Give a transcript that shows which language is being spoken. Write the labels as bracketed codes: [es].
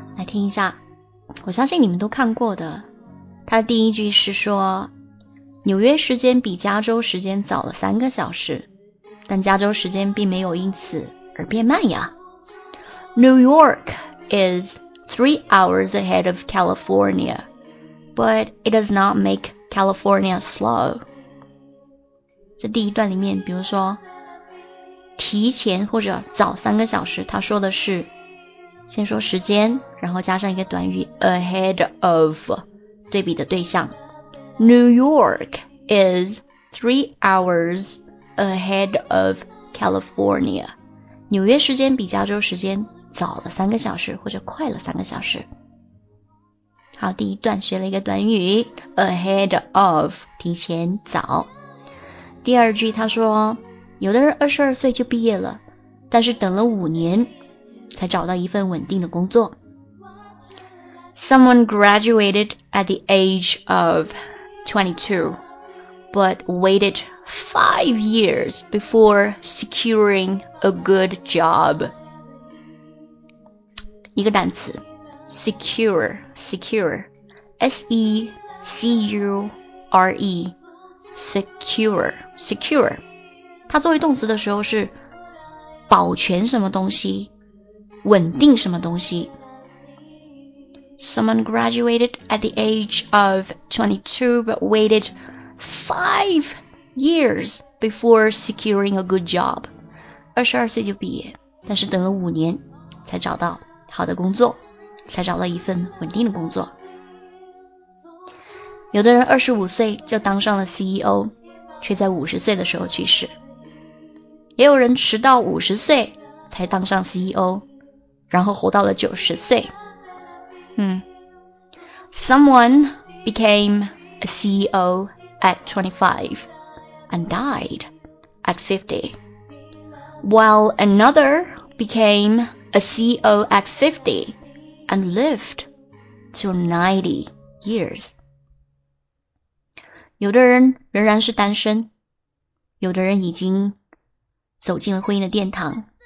[zh] 听一下，我相信你们都看过的。他第一句是说，纽约时间比加州时间早了三个小时，但加州时间并没有因此而变慢呀。 [en] New York is 3 hours ahead of California, but it does not make California slow. [zh] 这第一段里面，比如说提前或者早三个小时，他说的是先说时间，然后加上一个短语 ahead of， 对比的对象。 [en] New York is 3 hours ahead of California。 [zh] 纽约时间比加州时间早了三个小时，或者快了三个小时。好，第一段学了一个短语 ahead of， 提前早。第二句他说，有的人22岁就毕业了，但是等了5年。才找到一份稳定的工作。 [en] Someone graduated at the age of 22, but waited 5 years before securing a good job. [zh] 一个单词 secure, S-E-C-U-R-E, secure. 它作为动词的时候是保全什么东西，稳定什么东西。 [en] Someone graduated at the age of 22 but waited 5 years before securing a good job. [zh] 22岁就毕业，但是等了5年才找到好的工作，才找到一份稳定的工作。有的人25岁就当上了 CEO， 却在50岁的时候去世。也有人迟到50岁才当上 CEO，然后活到了90岁。 [en] Someone became a CEO at 25 and died at 50. While another became a CEO at 50 and lived to 90 years. [zh] 有的人仍然是单身，有的人已经走进了婚姻的殿堂。